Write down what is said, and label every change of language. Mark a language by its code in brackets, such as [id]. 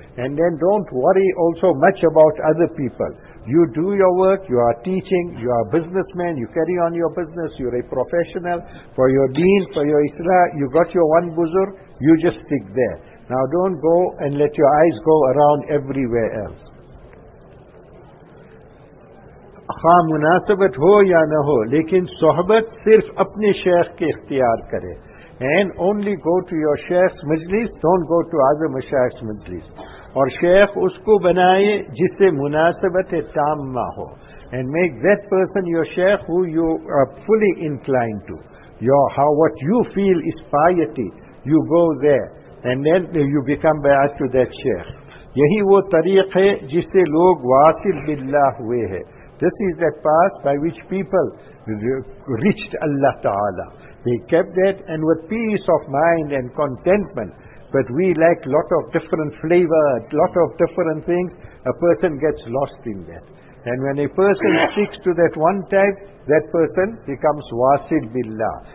[en] And then don't worry also much about other people. You do your work, you are teaching, you are a businessman, you carry on your business, you're a professional. For your deen, for your isra, you got your one buzur, you just stick there. Now don't go and let your eyes go around everywhere else. [ur] خواہ مناسبت ہو یا نہ ہو لیکن صحبت صرف اپنے شیخ کے اختیار کرے. [en] And only go to your شیخ's مجلس, don't go to other مشایخ's مجلس. [ur] اور شیخ اس کو بنائے جس سے مناسبت تامہ ہو. [en] And make that person your شیخ who you are fully inclined to. What you feel is piety, you go there. And then you become bad to that شیخ. [ur] یہی وہ طریق ہے جس سے لوگ واصل باللہ ہوئے ہیں. [en] This is that path by which people reached Allah Ta'ala. They kept that and with peace of mind and contentment. But we like lot of different flavor, lot of different things. A person gets lost in that. And when a person sticks to that one type, that person becomes wasil billah.